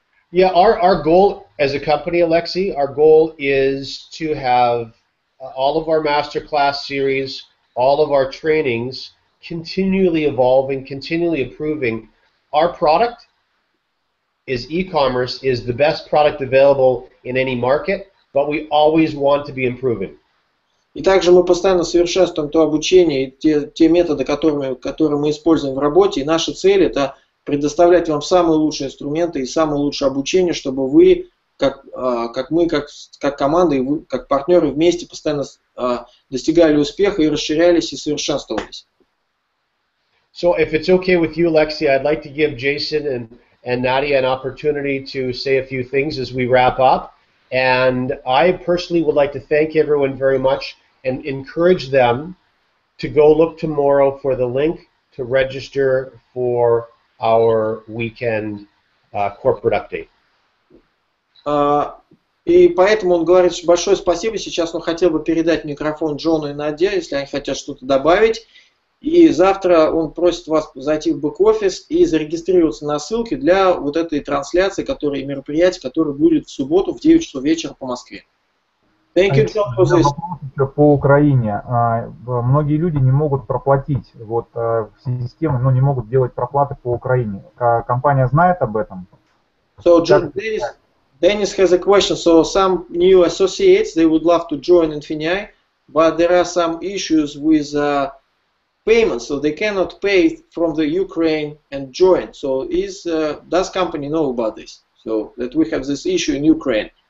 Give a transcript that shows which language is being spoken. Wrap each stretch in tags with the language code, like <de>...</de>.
<en>Yeah, our goal as a company, Alexei, our goal is to have all of our masterclass series, all of our trainings continually evolving, continually improving. Our product is e-commerce, is the best product available in any market, but we always want to be improving.</en> <ru>И также мы постоянно совершенствуем то обучение и те методы, которые мы используем в работе, и наша цель это предоставлять вам самые лучшие инструменты и самое лучшее обучение, чтобы вы, как мы, как команда и вы, как партнеры, вместе постоянно достигали успеха и расширялись и совершенствовались.</ru> <en>So, if it's okay with you, Lexi, I'd like to give Jason and Nadia an opportunity to say a few things as we wrap up. And I personally would like to thank everyone very much and encourage them to go look tomorrow for the link to register for our weekend corporate update.</en> <ru>И поэтому он говорит, что большое спасибо. Сейчас он хотел бы передать микрофон Джону и Наде, если они хотят что-то добавить. И завтра он просит вас зайти в бэк-офис и зарегистрироваться на ссылке для вот этой трансляции, которая мероприятие, которое будет в субботу в 9 часов вечера по Москве.</ru> <en>Thank you, John, for this.</en> <ru>По Украине. Многие люди не могут проплатить. Вот системы, но не могут делать проплаты по Украине. Компания знает об этом?</ru> <en>So, John, Dennis has a question. So, some new associates, they would love to join Infinii, but there are some issues with payments, so they cannot pay from the Ukraine and join. So, does company know about this? So, that we have this issue in Ukraine.</en>